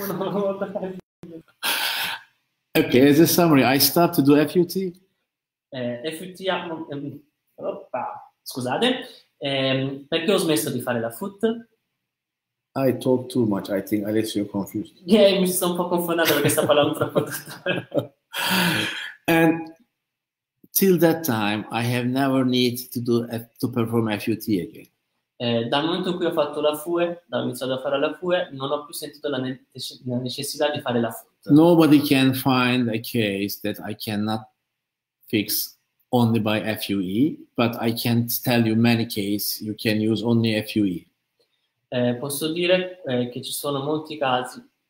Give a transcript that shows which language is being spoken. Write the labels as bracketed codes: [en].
[en] Okay, as a summary, I start to do FUT. [it] Effettivamente, scusate, perché ho smesso di fare la foot? [en] I talk too much, I think, unless you're confused. [it] Mi sono un po' confondato perché sto parlando troppo tanto. [en] And till that time, I have never need to do to perform FUT again. [it] Dal momento in cui ho fatto la FUE, dal momento in cui ho iniziato a fare la FUE, non ho più sentito la necessità di fare la FUT. [en] Nobody can find a case that I cannot fix only by FUE, but I can't tell you many cases you can use only FUE. [it] Posso dire che ci sono molti casi.